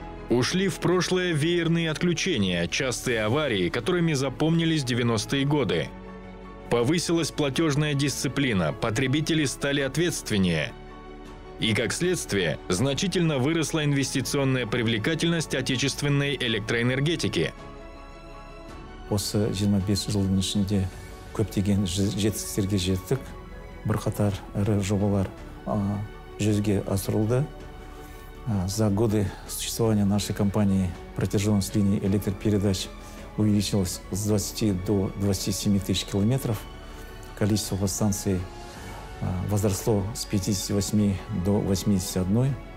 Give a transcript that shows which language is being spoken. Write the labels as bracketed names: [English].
[Russian] Ушли в прошлое веерные отключения, частые аварии, которыми запомнились 90-е годы. Повысилась платежная дисциплина, потребители стали ответственнее. И, как следствие, значительно выросла инвестиционная привлекательность отечественной электроэнергетики. [Kazakh] Осы 25 жылдың ішінде көптеген жетістіктерге жеттік. Бірқатар ірі жобалар жүзге асырылды. [Russian] За годы существования нашей компании протяженность линии электропередач увеличилась с 20 до 27 тысяч километров. Количество станций возросло с 58 до 81.